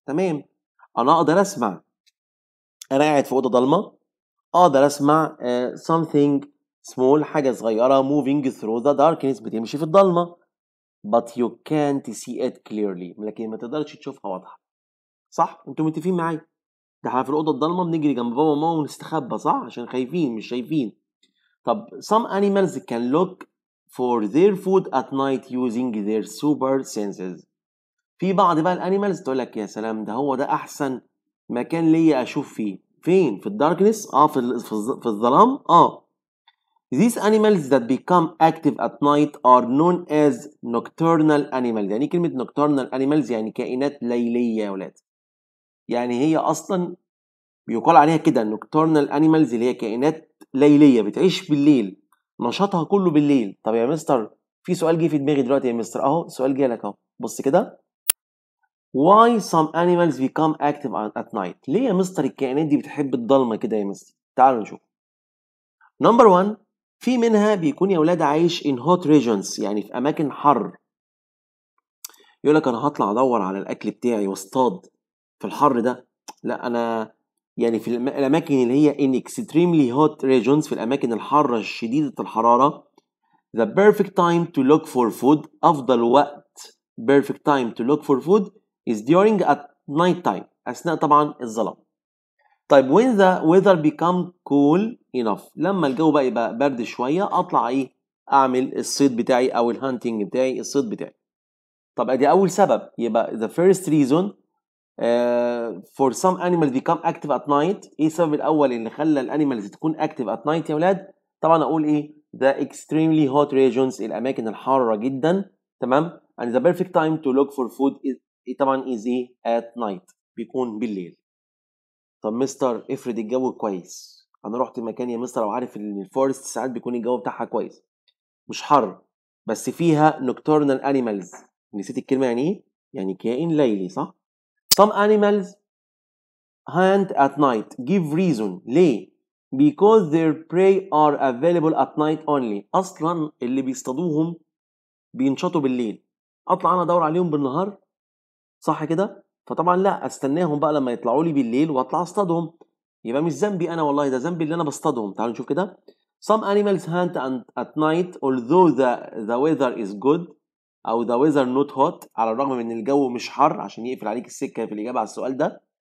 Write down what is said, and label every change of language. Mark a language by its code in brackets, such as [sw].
[ar] تمام، انا اقدر اسمع، انا قاعد في اوضه ضلمه اقدر اسمع سمثينج small، حاجة صغيرة [en] moving through the darkness، [ar] بتمشي في الضلمة. [en] But you can't see it clearly، [ar] لكن ما تقدرش تشوفها واضحة، صح؟ انتم متفقين معي؟ ده احنا في الأوضة الضلمة بنجري جنب بابا وماما ونستخبى، صح؟ عشان خايفين مش شايفين. طب [en] some animals can look for their food at night using their super senses. [ar] في بعض بقى الانيمالز تقول لك يا سلام، ده هو ده أحسن مكان ليا أشوف فيه. فين؟ في الداركنس؟ في الظلام؟ [en] These animals that become active at night are known as nocturnal animals. [ar] يعني كلمة nocturnal animals يعني كائنات ليلية يا ولاد، يعني هي أصلا بيقال عليها كده nocturnal animals، اللي هي كائنات ليلية بتعيش بالليل، نشاطها كله بالليل. طب يا مستر في سؤال جه في دماغي دلوقتي يا مستر، أهو سؤال جه لك أهو، بص كده. [en] Why some animals become active at night؟ [ar] ليه يا مستر الكائنات دي بتحب الضلمة كده يا مستر؟ تعالوا نشوف. Number one، في منها بيكون يا ولاد عايش [en] in hot regions، [ar] يعني في اماكن حر. يقول لك انا هطلع ادور على الاكل بتاعي واصطاد في الحر ده، لا انا يعني في الاماكن اللي هي [en] in extremely hot regions، [ar] في الاماكن الحاره الشديده الحراره. [en] The perfect time to look for food، [ar] افضل وقت [en] perfect time to look for food is during at night time، [ar] اثناء طبعا الظلام. طيب [en] when the weather become cool enough، [ar] لما الجو بقى يبقى برد شويه اطلع ايه؟ اعمل الصيد بتاعي او الهانتنج بتاعي، الصيد بتاعي. طب ادي اول سبب، يبقى [en] the first reason for some animals become active at night. [ar] ايه السبب الاول اللي خلى الانيمالز تكون [en] active at night [ar] يا ولاد؟ طبعا اقول ايه؟ [en] the extremely hot regions، [ar] الاماكن الحاره جدا، تمام؟ [en] and the perfect time to look for food is [ar] طبعا easy at night، بيكون بالليل. طب مستر افرض الجو كويس، انا رحت مكان يا مستر وعارف ان الفورست ساعات بيكون الجو بتاعها كويس مش حر، بس فيها nocturnal animals، نسيت الكلمه يعني ايه؟ يعني كائن ليلي، صح؟ [en] some animals hunt at night. Give reason. [ar] ليه؟ [en] Because their prey are available at night only. [ar] اصلا اللي بيصطادوهم بينشطوا بالليل. اطلع انا ادور عليهم بالنهار، صح كده؟ فطبعا لا، استناهم بقى لما يطلعوا لي بالليل واطلع اصطادهم. يبقى مش ذنبي انا والله، ده ذنبي اللي انا بصطادهم. تعالوا نشوف كده. [en] Some animals hunt at night although the weather is good او the weather not hot، [ar] على الرغم من الجو مش حر، عشان يقفل عليك السكة في الإجابة على السؤال ده.